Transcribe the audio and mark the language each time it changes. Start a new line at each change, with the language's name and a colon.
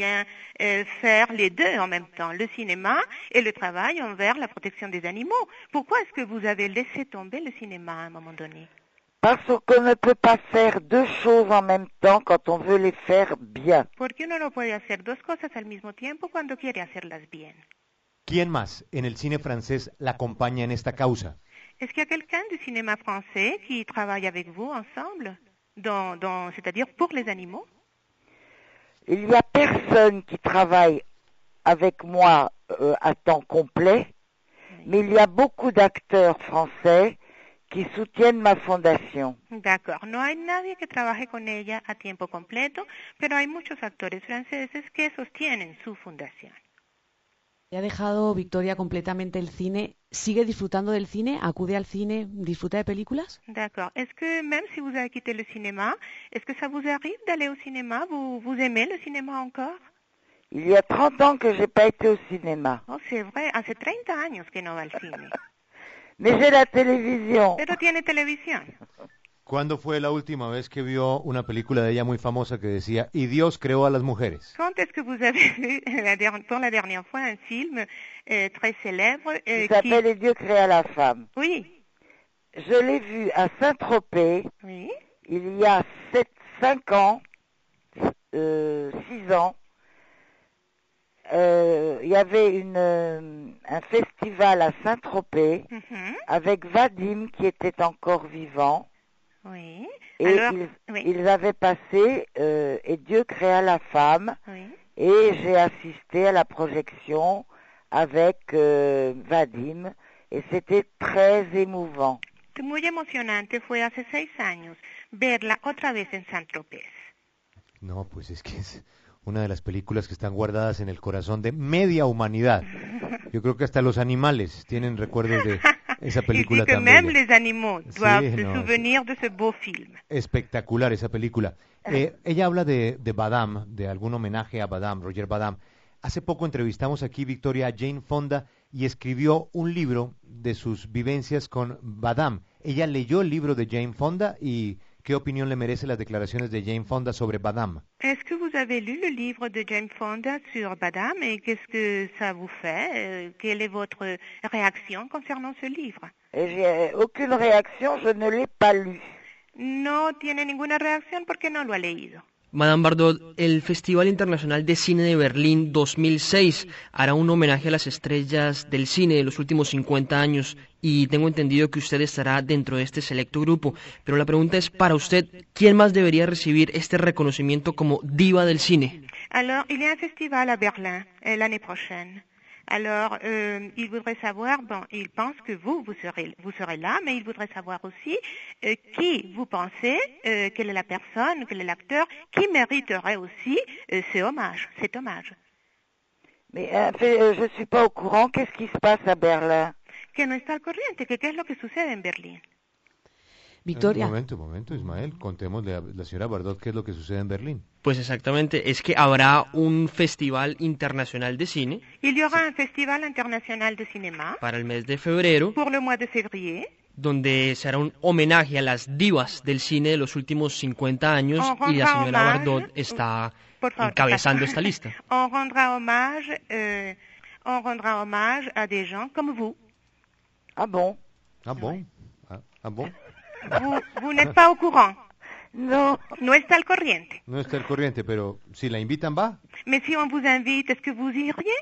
French: Vous auriez peut-être très bien faire les deux en même temps, le cinéma et le travail envers la protection des animaux. Pourquoi est-ce que vous avez laissé tomber le cinéma à un moment donné? Parce qu'on ne peut pas faire deux choses en même temps quand on veut les faire bien.
Spanish: Porque uno no puede hacer dos cosas al mismo tiempo cuando quiere hacerlas bien. ¿Quién más en el cine francés la acompaña en esta causa? Es que hay alguien del cine francés que trabaja con vos
French: ensemble,
Spanish: es decir, por los animales.
French: Il n'y a personne qui travaille avec moi à temps complet, mais il y a beaucoup d'acteurs français qui soutiennent ma fondation. D'accord.
Spanish: No hay nadie que trabaje con ella a tiempo completo, pero hay muchos actores franceses que sostienen su fundación. Ya ha dejado Victoria completamente el cine. ¿Sigue disfrutando del cine? ¿Acude al cine? ¿Disfruta de películas?
French: D'accord. Est-ce que même si vous avez quitté le cinéma, est-ce que ça vous arrive d'aller au cinéma? Vous aimez le cinéma encore? Il y a 30 ans que je n'ai pas été au cinéma. Oh, c'est vrai.
Spanish: Hace 30 años que no va al cine.
French: Mais j'ai la télévision.
Spanish: Pero tiene televisión. ¿Cuándo fue la última vez que vio una película de ella muy famosa que decía, "Y Dios creó a las mujeres"?
French: Quand est-ce que vous avez vu la dernière fois un film très célèbre Qui s'appelle Et Dieu créa la femme. Oui. Je l'ai vu à Saint-Tropez Oui. il y a 7, 5 ans, 6 ans. Il y avait un festival à Saint-Tropez avec Vadim qui était encore vivant. Oui. Et Alors, oui. ils avaient passé Et Dieu créa la femme. Oui. Et j'ai assisté à la projection avec Vadim. Et c'était très émouvant.
Spanish: Muy emocionante fue hace 6 años verla otra vez en Saint-Tropez. No, pues es que es una de las películas que están guardadas en el corazón de media humanidad. Yo creo que hasta los animales tienen recuerdos de esa
French: Il dit
Spanish: película
French: que
Spanish: tan
French: même
Spanish: bella.
French: les animaux
Spanish: Sí,
French: doivent se
Spanish: no, es
French: souvenir de ce beau film.
Spanish: espectacular esa película. Ella habla de Badam, de algún homenaje a Badam, Roger Badam. Hace poco entrevistamos aquí Victoria a Jane Fonda y escribió un libro de sus vivencias con Badam. Ella leyó el libro de Jane Fonda y ¿qué opinión le merecen las declaraciones de Jane Fonda sobre Badam?
French: Est-ce que vous avez lu le livre de Jane Fonda sur Badam et qu'est-ce que ça vous fait? Quelle est votre réaction concernant ce livre? J'ai aucune réaction, je ne l'ai pas lu.
Spanish: No tiene ninguna reacción porque no lo ha leído. Madame Bardot, el Festival Internacional de Cine de Berlín 2006 hará un homenaje a las estrellas del cine de los últimos 50 años y tengo entendido que usted estará dentro de este selecto grupo. Pero la pregunta es, para usted, ¿quién más debería recibir este reconocimiento como diva del cine?
French: Alors, il y a un festival à Berlin l'année prochaine. Alors, il voudrait savoir, bon, il pense que vous serez là, mais il voudrait savoir aussi qui vous pensez, quelle est la personne, quel est l'acteur qui mériterait aussi cet hommage. Mais je ne suis pas au courant, qu'est-ce qui se passe à Berlin?
Spanish: Que no está al corriente, que qué es lo que sucede en Berlín. Victoria. Un momento, Ismael. Contémosle a la señora Bardot qué es lo que sucede en Berlín. Pues exactamente, es que habrá un festival internacional de cine
French: Il y aura un festival international de cinéma
Spanish: para el mes de febrero,
French: pour le mois de février.
Spanish: donde se hará un homenaje a las divas del cine de los últimos 50 años y la señora Bardot está Por favor, encabezando esta lista.
French: on rendra hommage à des gens comme vous. Ah bon? Ah bon? Ah, ah bon? Vous n'êtes pas au courant.
Spanish: No. No está al corriente. No está al corriente, pero si la invitan, va.
French: Mais si on vous invite, est-ce que vous iriez?